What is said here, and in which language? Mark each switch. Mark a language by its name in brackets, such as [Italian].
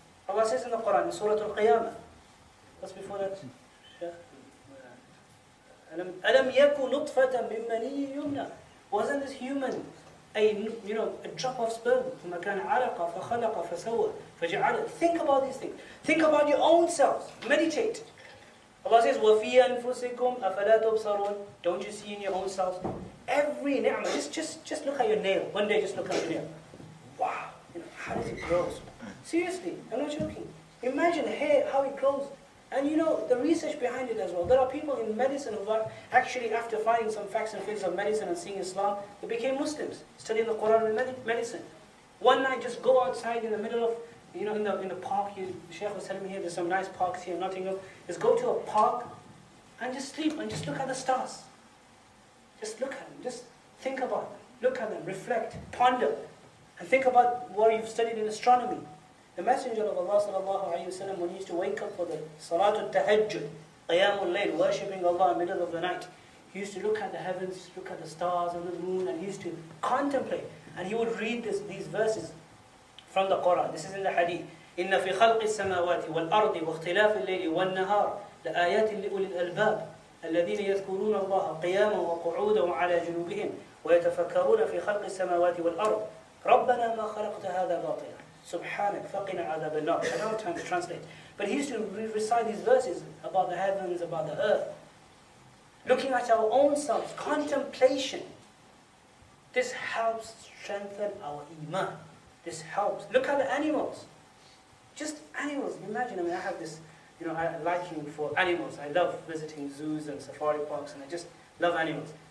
[English] Allah says in the Quran, Surah Al-Qiyamah. What's before that? Yeah. [Arabic] أَلَمْ يَكُوا نُطْفَةً مِنْ مَنِيِّ يُمْنَى. [English] Wasn't this human a, you know, a drop of sperm? [Arabic] ثُمَّ كَانَ عَلَقَ فَخَلَقَ فَسَوَّى فَجَعَلَ. [English] Think about these things. Think about your own selves. Meditate. Allah says, [Arabic] وَفِي أَنفُسِكُمْ أَفَلَا تُبْصَرُونَ. [English] Don't you see in your own selves? Every ni'mah. Just look at your nail. One day just look at your nail. Wow. You know, how does it grow? Seriously, I'm not joking. Imagine hair, how it grows. And you know, the research behind it as well. There are people in medicine who are actually, after finding some facts and figures of medicine and seeing Islam, they became Muslims, studying the Quran and medicine. One night, just go outside in the middle of, you know, in the park. Sheikh was telling me here, there's some nice parks here in Nottingham. Just go to a park and just sleep and just look at the stars. Just look at them. Just think about them. Look at them. Reflect. Ponder. And think about what you've studied in astronomy. The Messenger of Allah sallallahu alayhi wa sallam, when he used to wake up for the Salatul Tahajjud, Qiyamul Layl, worshipping Allah in the middle of the night, he used to look at the heavens, look at the stars and the moon, and he used to contemplate. And he would read these verses from the Quran. This is in the Hadith. [Arabic] إِنَّ فِي خَلْقِ السَّمَاوَاتِ وَالْأَرْضِ وَاخْتِلَافِ اللَّيْلِ وَالنَّهَارِ لَآيَاتٍ لِأُولِي الْأَلْبَابِ الَّذِينَ يَذْكُرُونَ اللَّهَ قِيَامًا وَقُعُودًا عَلَى جُنُوبِهِمْ وَيَتَفَكَّرُونَ فِي خَلْقِ السَّمَاوَاتِ وَالْأَرْضِ رَبَّنَا مَا خَلَقْتَ هَذَا بَاطِلًا سُبْحَانَكَ فَقِنَا عَذَابَ النَّارِ. [English] I don't have time to translate. But he used to recite these verses about the heavens, about the earth. Looking at our own selves, contemplation. This helps strengthen our iman. This helps. Look at the animals. Just animals. Imagine, I mean, I have this, you know, liking for animals. I love visiting zoos and safari parks, and I just love animals.